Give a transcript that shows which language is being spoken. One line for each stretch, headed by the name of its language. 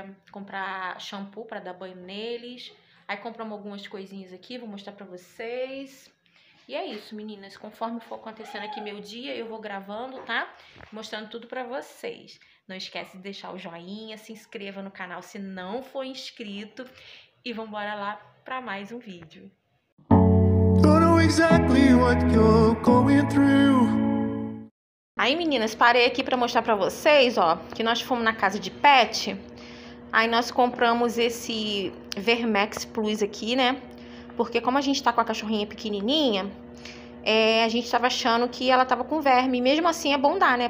Portuguese: Comprar shampoo para dar banho neles. Aí compramos algumas coisinhas aqui, vou mostrar pra vocês. E é isso, meninas. Conforme for acontecendo aqui meu dia, eu vou gravando, tá? Mostrando tudo pra vocês. Não esquece de deixar o joinha, se inscreva no canal se não for inscrito. E vamos bora lá para mais um vídeo.
English: Exactly what you're going through.
Portuguese: Aí, meninas, parei aqui para mostrar para vocês, ó, que nós fomos na casa de pet. Aí nós compramos esse Vermex Plus aqui, né? Porque como a gente tá com a cachorrinha pequenininha, a gente tava achando que ela tava com verme. Mesmo assim é bom dar, né?